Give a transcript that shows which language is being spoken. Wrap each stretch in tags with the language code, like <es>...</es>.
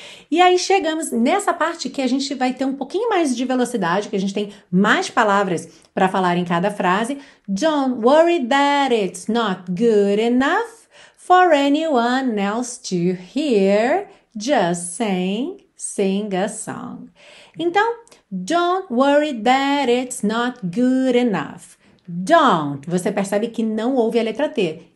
<pt>E aí chegamos nessa parte que a gente vai ter um pouquinho mais de velocidade, que a gente tem mais palavras para falar em cada frase.</pt> <en>Don't worry that it's not good enough for anyone else to hear. Just saying, sing a song.</en> <pt>Então,</pt> <en>don't worry that it's not good enough. Don't.</en> <pt>Você percebe que não houve a letra T.</pt>